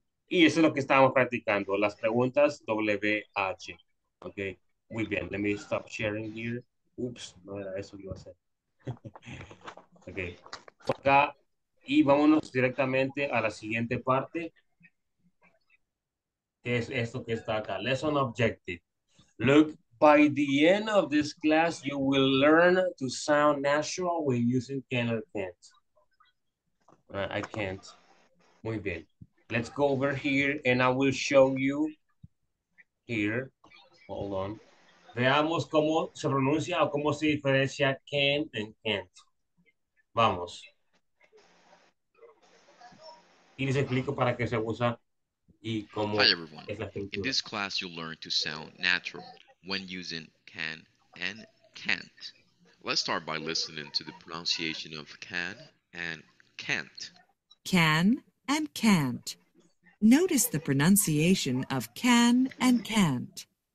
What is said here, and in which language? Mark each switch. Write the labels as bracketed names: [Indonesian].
[Spanish] Y eso es lo que estamos practicando. Las preguntas WH. Okay. Muy bien, [English] let me stop sharing here. [Spanish] Oops, no era eso que iba a hacer. Ok. Acá, y vámonos directamente a la siguiente parte. Que es esto que está acá. [English] Lesson objective. Look, by the end of this class, you will learn to sound natural when using can or can't. I can't. [Spanish] Muy bien. [English] Let's go over here and I will show you here. Hold on. [Spanish] Veamos cómo se pronuncia o cómo se diferencia can and can't. Vamos. Y les explico para qué se usa y cómo. [English] Hi everyone. In this class you'll learn to sound natural when using can and can't. Let's start by listening to the pronunciation of can and can't. Can and can't. Notice the pronunciation of can and can't.